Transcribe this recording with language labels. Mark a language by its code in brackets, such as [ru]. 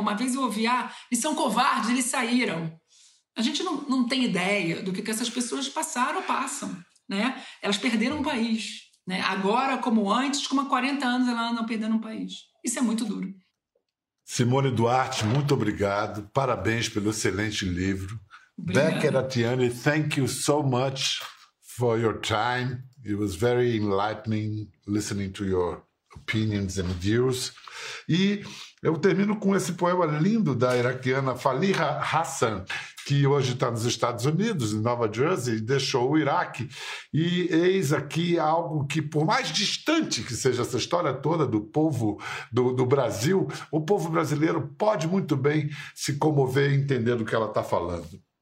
[pt] Uma vez eu ouvi, eles são covardes, eles saíram. A gente não tem ideia do que essas pessoas passaram ou passam, né? Elas perderam o país, né? Agora como antes, como há 40 anos elas andam perdendo um país. Isso é muito duro. Simone Duarte, muito obrigado. Parabéns pelo excelente livro. Obrigada. [en] Becker Atiani, thank you so much for your time. It was very enlightening listening to your opinions and views. [pt] E eu termino com esse poema lindo da iraquiana Faliha Hassan, que hoje está nos Estados Unidos, em Nova Jersey, deixou o Iraque. E eis aqui algo que, por mais distante que seja essa história toda do povo do Brasil, o povo brasileiro pode muito bem se comover entendendo o que ela está falando.